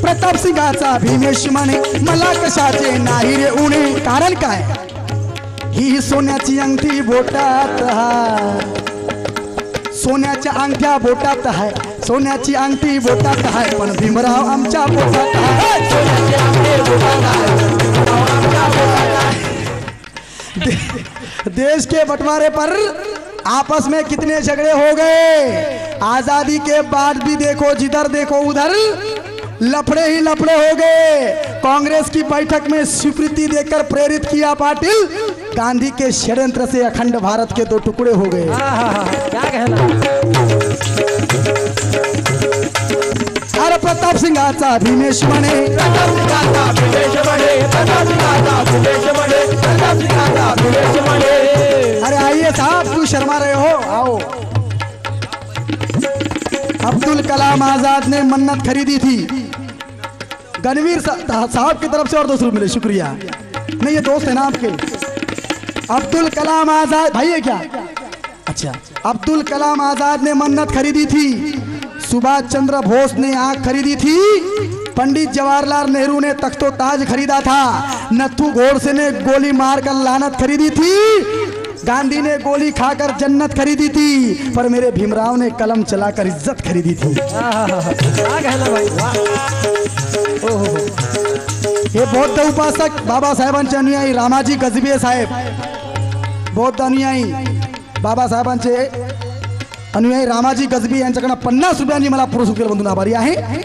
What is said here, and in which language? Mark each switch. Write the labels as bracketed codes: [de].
[mr] प्रताप सिंगाचा भीमेश म्हणे, मला कशाचे नाही रे उणे. कारण काय, ही सोन्याची अंगठी बोटात हाय, सोन्याच्या अंगठ्या बोटात हाय, सोन्याची अंगठी बोटात हाय, पण भीमराव आमच्या बोटात हाय. [hi] देश के बंटवारे पर आपस में कितने झगड़े हो गए, आजादी के बाद भी देखो जिधर देखो उधर लफड़े ही लफड़े हो गए. कांग्रेस की बैठक में स्वीकृति देकर प्रेरित किया पाटिल, गांधी के षड्यंत्र से अखंड भारत के 2 टुकड़े हो गए. क्या कहना. अरे प्रताप सिंगाचा भीमेश म्हणे, प्रताप सिंगाचा भीमेश म्हणे, प्रताप सिंगाचा भीमेश म्हणे, प्रताप सिंगाचा भीमेश म्हणे. अरे आइए साहब, क्यों शर्मा रहे हो, आओ. अब्दुल कलाम आजाद ने मन्नत खरीदी थी, गणवीर साहब की तरफ से और 200 रुपये मिले, शुक्रिया. नहीं ये दोस्त है ना आपके, अब्दुल कलाम आजाद भाई है क्या? अच्छा, अब्दुल कलाम आजाद ने मन्नत खरीदी थी, सुभाष चंद्र बोस ने आंख खरीदी थी, पंडित जवाहरलाल नेहरू ने तख्तो ताज खरीदा था, नथु गोडसे ने गोली मारकर लानत खरीदी थी, गांधी ने गोली खाकर जन्नत खरीदी थी, पर मेरे भीमराव ने कलम चलाकर इज्जत खरीदी थी। [mr] ये बौद्ध उपासक बाबा साहेबांचे अनुयायी रामाजी गजबिये साहेब, बौद्ध अनुयायी बाबा साहेबांचे अनुयायी रामाजी गजबिये यांच्याकडे 50 रुपयांनी मला पुरस्कृत केलं, बंधू आभारी आहे।